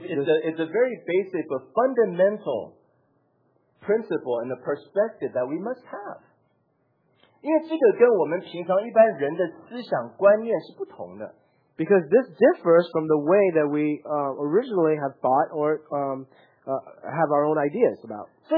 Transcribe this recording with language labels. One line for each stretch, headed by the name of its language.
English: it's a very basic but fundamental principle and a perspective that we must have.
Chinese: 因为这个跟我们平常一般人的思想观念是不同的。
English: Because this differs from the way that we originally have thought or have our own ideas about.